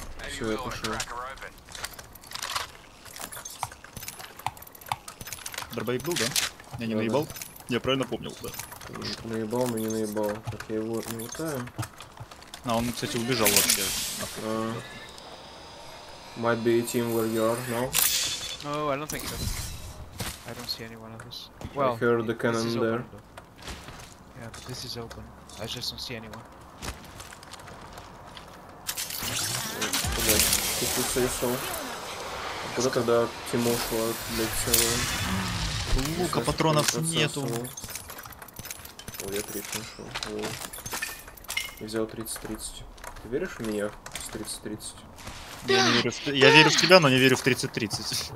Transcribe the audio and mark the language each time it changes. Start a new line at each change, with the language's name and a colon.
Russian: Все, я пошел. Дробовик был, да? Я не наебал? Я правильно помнил, да. Наебал, но не наебал. Так, я его не лутаю. А он, кстати, убежал вообще.
English: Might be a team where you are, no? No, I don't think so. I don't see any one of us. Well, I heard the cannon there. Open, yeah, this is open. I just don't see anyone.
Russian: Блять,
English: if you say so.
Russian: А куда тогда Тимо ушло от Лексера? Лука, патронов нету. О, я 30 нашел. О. Я взял 30-30. Ты веришь в меня с 30-30? Я не верю в... Я верю в тебя, но не верю в 30-30.